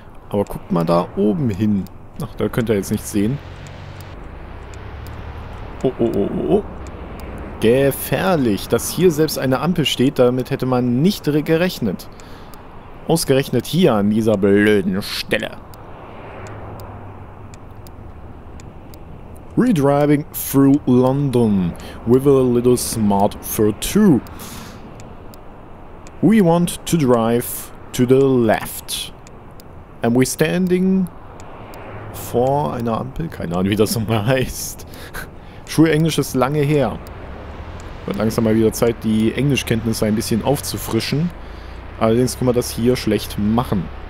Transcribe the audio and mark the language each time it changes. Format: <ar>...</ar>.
<de>Aber guckt mal da oben hin. Ach, da könnt ihr jetzt nichts sehen. Oh, oh, oh, oh, oh. Gefährlich, dass hier selbst eine Ampel steht, damit hätte man nicht gerechnet. Ausgerechnet hier an dieser blöden Stelle.</de> <en>Redriving through London with a little smart for two. We want to drive to the left. And we're standing</en> <de>vor einer Ampel? Keine Ahnung, wie das nochmal heißt. Schulenglisch ist lange her. Wird langsam mal wieder Zeit, die Englischkenntnisse ein bisschen aufzufrischen. Allerdings können wir das hier schlecht machen.</de>